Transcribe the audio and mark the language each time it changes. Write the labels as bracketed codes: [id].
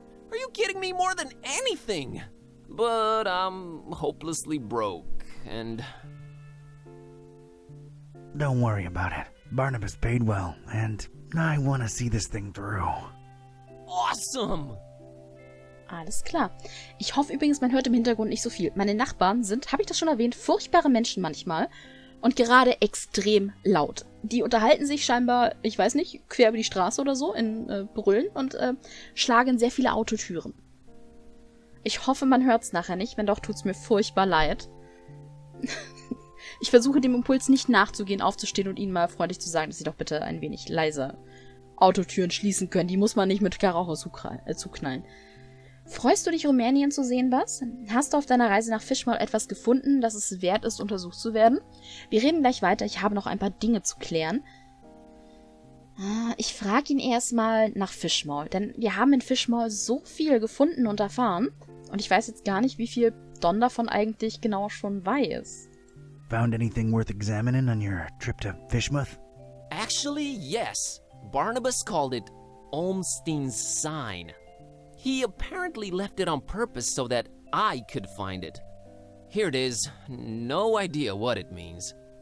[en] Are you kidding me more than anything? But I'm hopelessly broke, and... Don't worry about it. Barnabas paid well, and I want to see this thing through. Awesome! [de] Alles klar. Ich hoffe übrigens, man hört im Hintergrund nicht so viel. Meine Nachbarn sind, habe ich das schon erwähnt, furchtbare Menschen manchmal und gerade extrem laut. Die unterhalten sich scheinbar, ich weiß nicht, quer über die Straße oder so in Brüllen und schlagen sehr viele Autotüren. Ich hoffe, man hört's nachher nicht. Wenn doch, tut's mir furchtbar leid. Ich versuche, dem Impuls nicht nachzugehen, aufzustehen und ihnen mal freundlich zu sagen, dass sie doch bitte ein wenig leiser Autotüren schließen können. Die muss man nicht mit Karacho zuknallen. Freust du dich, Rumänien zu sehen, Bas? Hast du auf deiner Reise nach Fishmall etwas gefunden, das es wert ist, untersucht zu werden? Wir reden gleich weiter. Ich habe noch ein paar Dinge zu klären. Ich frage ihn erstmal nach Fishmall, denn wir haben in Fishmall so viel gefunden und erfahren. Und ich weiß jetzt gar nicht, wie viel Don davon eigentlich genau schon weiß. [en] Found anything worth examining on your trip to Fishmouth? Actually, yes. Barnabas called it Olmstein's sign. He apparently left it on purpose so that I could find it. Here it is. No idea what it means.